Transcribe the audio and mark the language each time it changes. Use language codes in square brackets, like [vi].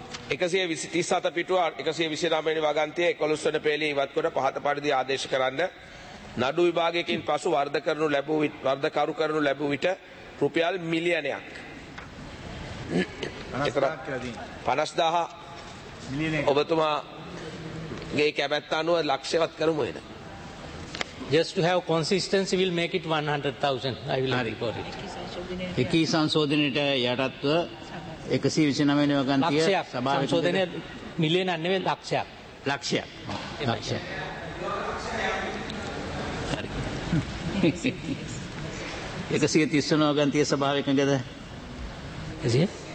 [si] 137 පිටුව 129 වන වගන්තිය 11 වන පෙළේ ඉවත්කොට පහත පරිදි ආදේශ කරන්න නඩු විභාගයකින් පසු වර්ධකරු කරනු ලැබුව විට රුපියල් මිලියනයක් 50,000 ඔබතුමාගේ කැමැත්ත අනුව ලක්ෂයවත් කරමු එන. [en] Just to have consistency will make it 100,000. I will report it. [si] එකි සංශෝධනයට යටත්ව 129 වෙනි වගන්තිය ලක්ෂයක් සංශෝධනය මිලියන නෙවෙයි ලක්ෂයක්. ලක්ෂයක්. ලක්ෂයක්. හරි. 139 වගන්තිය සභාවේ එකඟද? එසිය